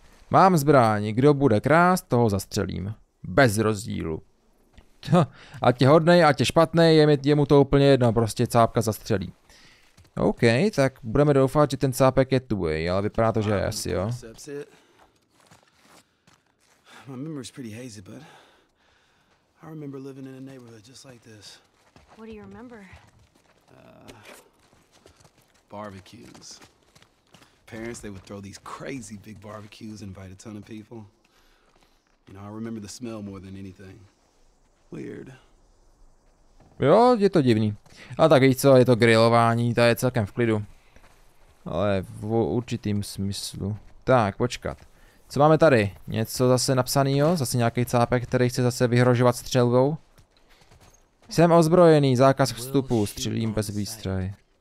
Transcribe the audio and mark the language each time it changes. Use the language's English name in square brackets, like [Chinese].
[Czech] Mám zbraň, kdo bude krást, toho zastřelím. Bez rozdílu. Ať je hodnej, ať je špatnej, je mu to úplně jedno, prostě cápka zastřelí. OK, tak budeme doufat, že ten cápek je tvůj, ale vypadá to, že je asi, jo. [English] My memory's pretty hazy, but I remember living in a neighborhood just like this. What do you remember? Barbecues. Parents, they would throw these crazy big barbecues, invite a ton of people. You know, I remember the smell more than anything. Weird. [Czech] Jo, je to divný. A tak víš co, je to grilování, to je celkem v klidu. Ale v určitým smyslu. Tak, počkat. Co máme tady? Něco zase napsanýho? Zase nějaký cápek, který chce zase vyhrožovat střelbou? Jsem ozbrojený, zákaz vstupu, střílím bez výstřahy.